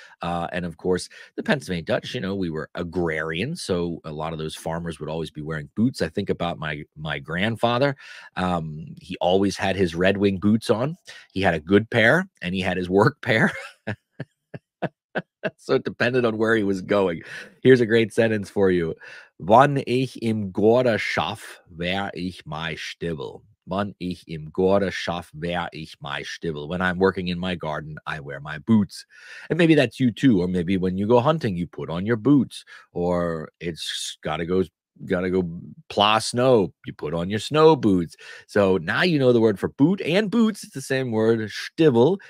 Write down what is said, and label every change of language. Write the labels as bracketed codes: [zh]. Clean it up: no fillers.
[en] And of course, the Pennsylvania Dutch, you know, we were agrarian, so a lot of those farmers would always be wearing boots. I think about my grandfather. He always had his Red Wing boots on. He had a good pair, and he had his work pair. So it depended on where he was going. Here's a great sentence for you. [pdc] Wann ich im Gorda schaff, wär ich mein Schtiwwel. Wann ich im Gorda schaff, wär ich mein Schtiwwel. [en] When I'm working in my garden, I wear my boots. And maybe that's you too. Or maybe when you go hunting, you put on your boots. Or it's gotta go plow snow, you put on your snow boots. So now you know the word for boot and boots. It's the same word, Schtiwwel.